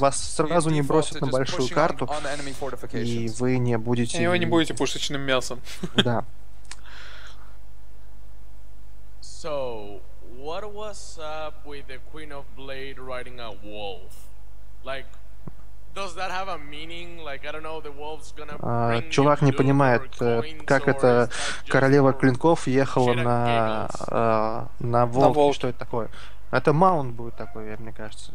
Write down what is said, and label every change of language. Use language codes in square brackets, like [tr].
[ru] Вас сразу не бросят на большую карту, и вы не будете... И вы не будете пушечным мясом. Да. [en] So, what was up with the Queen of Blade riding a wolf? Like, does that have a meaning? Like, I don't know, the wolf's gonna bring [ru] чувак не понимает, как это королева клинков ехала на волке, что это такое. Это маунт будет такой, мне кажется.